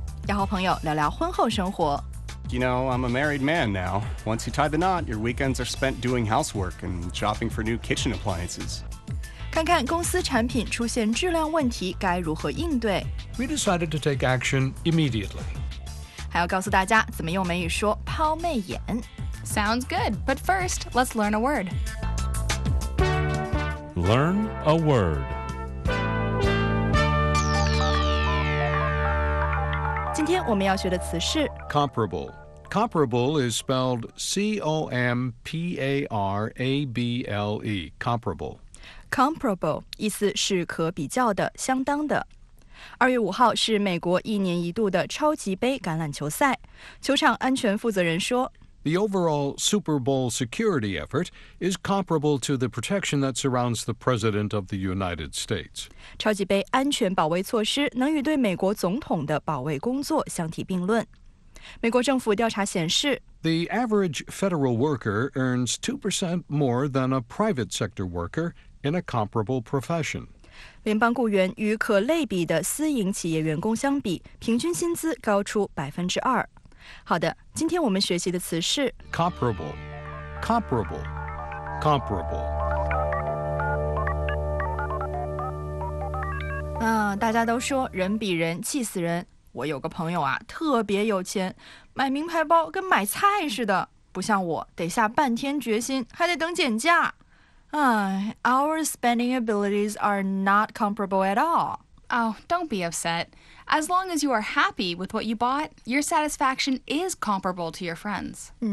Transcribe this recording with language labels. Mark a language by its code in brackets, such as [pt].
[zh] 要和朋友聊聊婚后生活。 [en] You know, I'm a married man now. Once you tie the knot, your weekends are spent doing housework and shopping for new kitchen appliances. [zh] 看看公司产品出现质量问题该如何应对。 [en] We decided to take action immediately. [zh] 还要告诉大家怎么用美语说抛媚眼。 [en] Sounds good, but first, let's learn a word. Learn a word. [zh] 今天我们要学的词是 [en] comparable. Comparable is spelled C-O-M-P-A-R-A-B-L-E. Comparable. [zh] Comparable 意思是可比较的，相当的。二月五号是美国一年一度的超级杯橄榄球赛。球场安全负责人说 [en] The overall Super Bowl security effort is comparable to the protection that surrounds the President of the United States. [zh] 超级杯安全保卫措施能与对美国总统的保卫工作相提并论。美国政府调查显示 [en] The average federal worker earns 2% more than a private sector worker in a comparable profession. [zh] 联邦雇员与可类比的私营企业员工相比，平均薪资高出 2%。好的，今天我们学习的词是 [en] comparable, comparable, comparable. [zh] 大家都说人比人气死人。我有个朋友啊，特别有钱，买名牌包跟买菜似的，不像我，得下半天决心，还得等减价。 [en] Our spending abilities are not comparable at all. Oh, don't be upset. As long as you are happy with what you bought, your satisfaction is comparable to your friends.